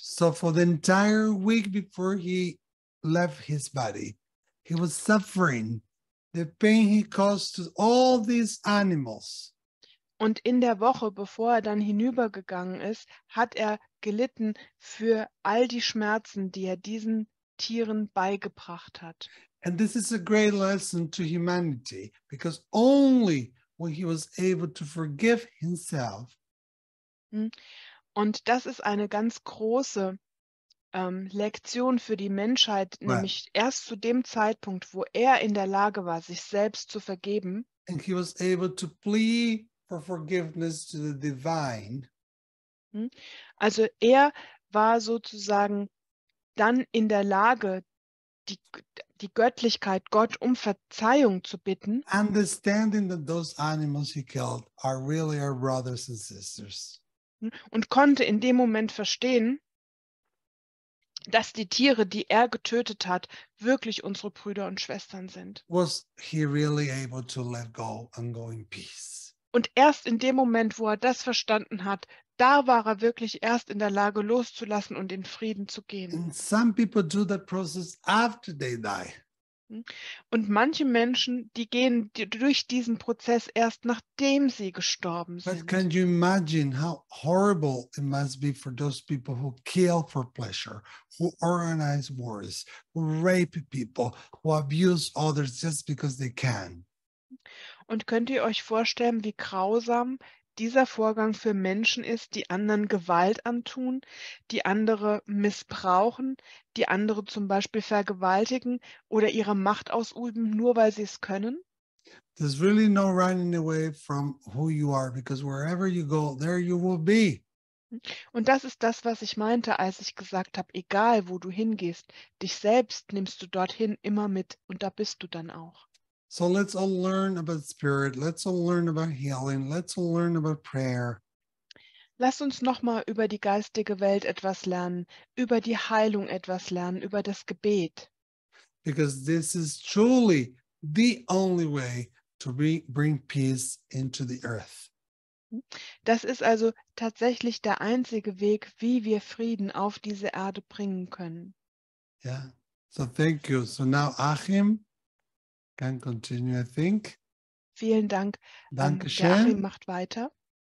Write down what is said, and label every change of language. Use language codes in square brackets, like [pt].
[en] So for the entire week before he left his body, he was suffering the pain he caused to all these animals. [de] Und in der Woche, bevor er dann hinübergegangen ist, hat er gelitten für all die Schmerzen, die er diesen Tieren beigebracht hat. [en] And this is a great lesson to humanity, because only when he was able to forgive himself. [de] Und das ist eine ganz große Lektion für die Menschheit, nämlich erst zu dem Zeitpunkt, wo er in der Lage war, sich selbst zu vergeben. [en] And he was able to plead for forgiveness to the divine. [de] Also er war sozusagen dann in der Lage, die Göttlichkeit, Gott, um Verzeihung zu bitten. [en] Understanding that those animals he killed are really our brothers and sisters. [de] Und konnte in dem Moment verstehen, dass die Tiere, die er getötet hat, wirklich unsere Brüder und Schwestern sind. [en] Was he really able to let go and go in peace? [de] Und erst in dem Moment, wo er das verstanden hat, da war er wirklich erst in der Lage, loszulassen und in Frieden zu gehen. [en] And some people do that process after they die. [de] Und manche Menschen, die gehen durch diesen Prozess erst, nachdem sie gestorben sind. [en] But can you imagine how horrible it must be for those people who kill for pleasure, who organize wars, who rape people, who abuse others just because they can? [de] Und könnt ihr euch vorstellen, wie grausam dieser Vorgang für Menschen ist, die anderen Gewalt antun, die andere missbrauchen, die andere zum Beispiel vergewaltigen oder ihre Macht ausüben, nur weil sie es können? [en] There's really no running away from who you are, because wherever you go, there you will be. [de] Und das ist das, was ich meinte, als ich gesagt habe, egal wo du hingehst, dich selbst nimmst du dorthin immer mit und da bist du dann auch. [en] So let's all learn about spirit, let's all learn about healing, let's all learn about prayer. [de] Lass uns nochmal über die geistige Welt etwas lernen, über die Heilung etwas lernen, über das Gebet. [en] Because this is truly the only way to bring peace into the earth. [de] Das ist also tatsächlich der einzige Weg, wie wir Frieden auf diese Erde bringen können. [en] Yeah, so thank you. So now Achim can continue, I think. [de] Vielen Dank. Dankeschön. Der Achim macht weiter.